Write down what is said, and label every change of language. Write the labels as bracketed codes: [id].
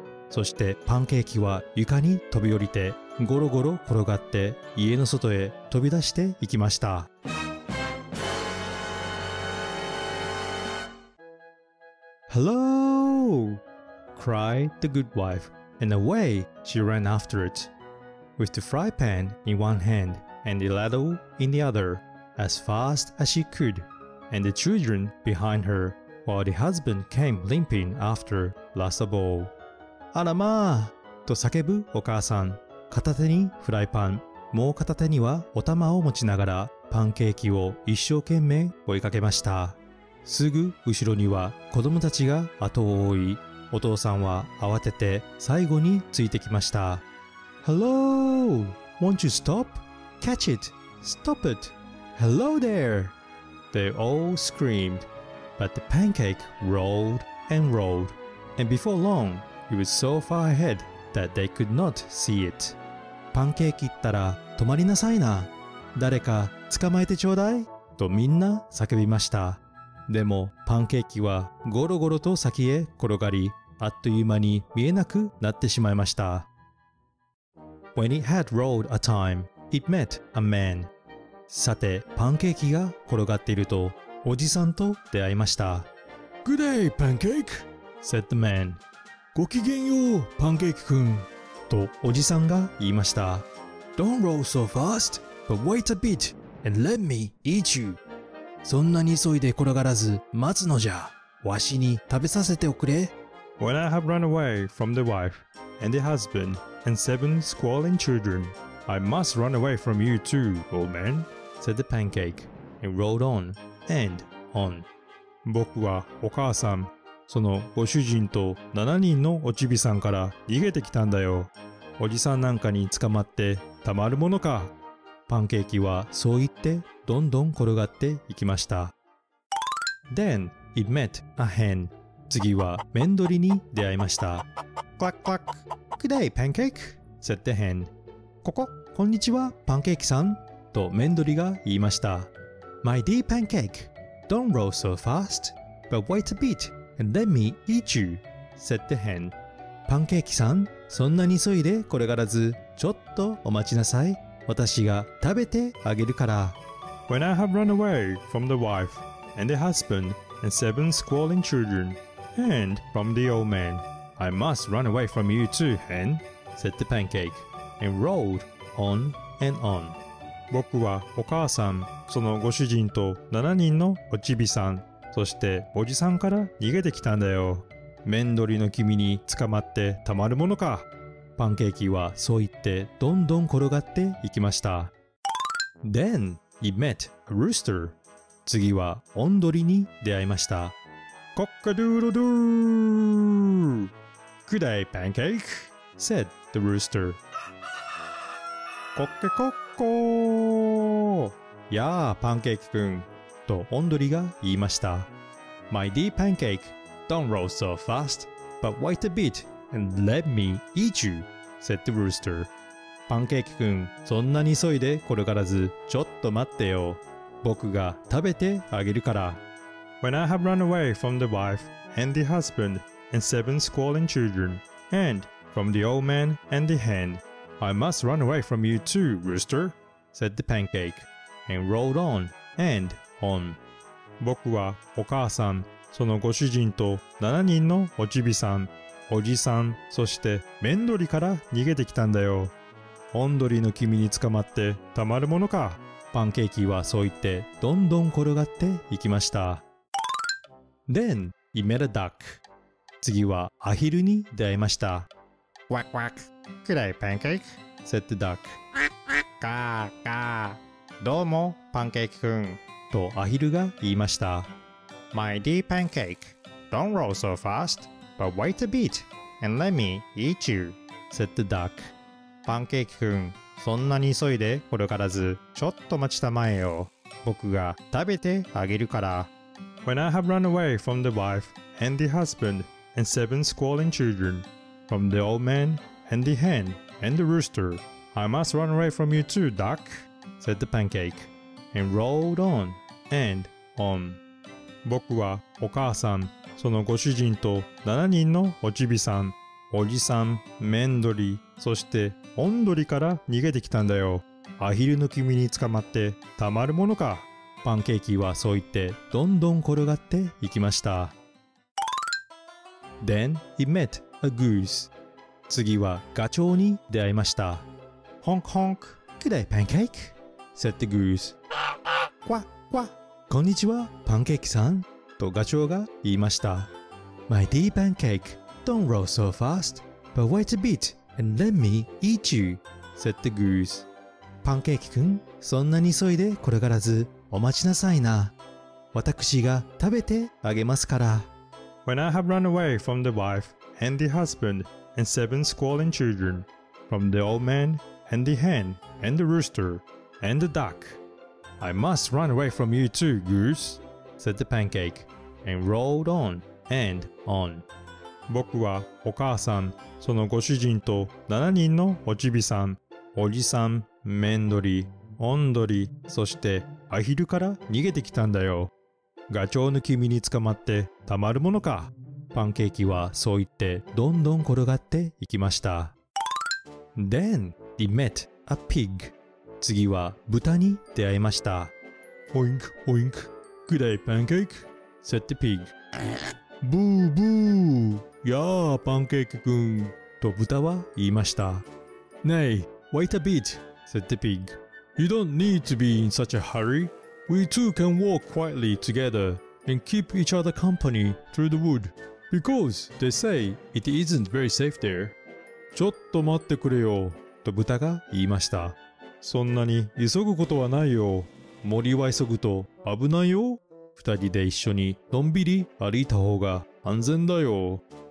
[ja] そしてパンケーキは床に飛び降りてゴロゴロ転がって家の外へ飛び出していきました。 [en] Hello! cried the good wife, and away she ran after it, with the fry pan in one hand and the ladle in the other, as fast as she could, and the children behind her, while the husband came limping after last of all. [ja] あらまあ! と叫ぶお母さん、片手にフライパン、もう片手にはお玉を持ちながらパンケーキを一生懸命追いかけました。すぐ後ろには子供たちが後を追い、お父さんは慌てて最後についてきました。 [en] Hello! Won't you stop? Catch it! Stop it! Hello there! They all screamed, but the pancake rolled and rolled, and before long, it was so far ahead that they could not see it. [ja] パンケーキったら止まりなさいな。誰か捕まえてちょうだい。とみんな叫びました。でもパンケーキはゴロゴロと先へ転がり、あっという間に見えなくなってしまいました。 [en] When it had rolled a time, it met a man. [ja] さて、パンケーキが転がっていると、おじさんと出会いました。 [en] Good day, pancake! said the man. [ja] ごきげんよう、パンケーキくん。とおじさんが言いました。 [en] Don't roll so fast, but wait a bit and let me eat you. [ja] そんなに急いで転がらず、待つのじゃ。わしに食べさせておくれ。 [en] When I have run away from the wife and the husband and seven squalling children, I must run away from you too, old man, said the pancake, and rolled on and on. [ja] 僕はお母さん、そのご主人と7人のおちびさんから逃げてきたんだよ。おじさんなんかに捕まってたまるものか。パンケーキはそう言ってどんどん転がっていきました。 [en] Then it met a hen. [ja] 次はメンドリに出会いました。クラックラック。 [en] Good day, pancake, said the hen. [ja] ここ、こんにちは、パンケーキさん。とメンドリが言いました。 [en] My dear pancake, don't roll so fast, but wait a bit and let me eat you, said the hen. [ja] パンケーキさん、そんなに急いで転がらず、ちょっとお待ちなさい。私が食べてあげるから。 [en] When I have run away from the wife and the husband,And seven squalling children, and from the old man. I must run away from you too, hen, said the pancake, and rolled on and on. [ja] 僕はお母さん、そのご主人と7人のおちびさん、そしておじさんから逃げてきたんだよ。メンドリの君に捕まってたまるものか。パンケーキはそう言ってどんどん転がっていきました。 [en] Then he met a rooster. [ja] 次はオンドリに出会いました。コッカドゥードゥ [en] ー Good day, pancake, said the rooster. [ja] コッケコッコーやあ、パンケーキくん。とオンドリが言いました。 [en] My dear pancake, don't roll so fast, but wait a bit and let me eat you, said the rooster. [ja] パンケーキくん、そんなに急いで転がらず、ちょっと待ってよ。僕が食べてあげるから。 [en] When I have run away from the wife and the husband and seven squalling children and from the old man and the hen, I must run away from you too, rooster, said the pancake, and rolled on and on. [ja] 僕はお母さん、そのご主人と7人のおちびさん、おじさん、そしてメンドリから逃げてきたんだよ。オンドリの君に捕まってたまるものか。パンケーキはそう言ってどんどん転がっていきました。 [en] Then he met a duck. [ja] 次はアヒルに出会いました。 [en] Quack quack. Good day, pancake. said the duck. [ja] カーカー。どうも、パンケーキくん。とアヒルが言いました。 [en] My dear pancake, don't roll so fast, but wait a bit and let me eat you, said the duck. [ja] パンケーキくん。そんなに急いで転がらず、ちょっと待ちたまえよ。僕が食べてあげるから。 [en] When I have run away from the wife and the husband and seven squalling children, from the old man and the hen and the rooster, I must run away from you too, duck, said the pancake, and rolled on and on. [ja] 僕はお母さん、そのご主人と7人のおちびさん、おじさん、メンドリ、そしてオンドリから逃げてきたんだよ。アヒルの君に捕まってたまるものか。パンケーキはそう言ってどんどん転がっていきました。 [en] Then he met a goose. [ja] 次はガチョウに出会いました。ホンクホンク。 [en] Good day, pancake. said the goose. [ja] クワックワッ。こんにちは、パンケーキさん。とガチョウが言いました。 [en] My dear pancake. Don't roll so fast, but wait a bit and let me eat you, said the goose. [ja] パンケーキくん、そんなに急いで転がらず、お待ちなさいな。私が食べてあげますから。 [en] When I have run away from the wife and the husband and seven squalling children, from the old man and the hen and the rooster and the duck, I must run away from you too, Goose, said the pancake, and rolled on and on. [ja] 僕はお母さん、そのご主人と7人のおちびさん、おじさん、めんどり、おんどり、そしてアヒルから逃げてきたんだよ。ガチョウの君に捕まってたまるものか。パンケーキはそう言ってどんどん転がっていきました。 [en] Then he met a pig. [ja] 次は豚に出会いました。 [en] オインク、オインク。Good day, pancake, said the pig. [ja] ブーブー、やあ、パンケーキくん。と豚は言いました。 [en] Nay, wait a bit, said the pig. You don't need to be in such a hurry. We two can walk quietly together. And keep each other company through the wood. Because they say it isn't very safe there. [ja] ちょっと待ってくれよ、と豚が言いました。そんなに急ぐことはないよ。森は急ぐと危ないよ。二人で一緒にのんびり歩いた方が安全だよ。